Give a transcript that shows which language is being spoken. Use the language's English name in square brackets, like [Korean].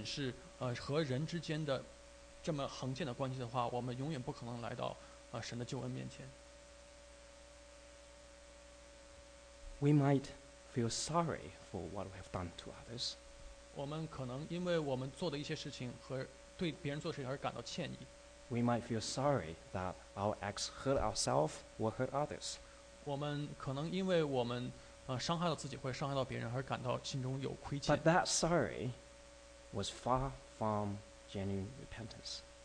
[Chinese] 如果我们所重视的仅仅是和人之间的 这么横切的关系的话，我们永远不可能来到神的救恩面前。 [English] We might feel sorry for what we have done to others. [Chinese] 我们可能因为我们做的一些事情和对别人做的事情而感到歉意。 [English] We might feel sorry that our acts hurt ourselves or hurt others. [Chinese] 我们可能因为我们伤害了自己或者伤害到别人而感到心中有亏欠。 [English] But that sorry was far from genuine repentance.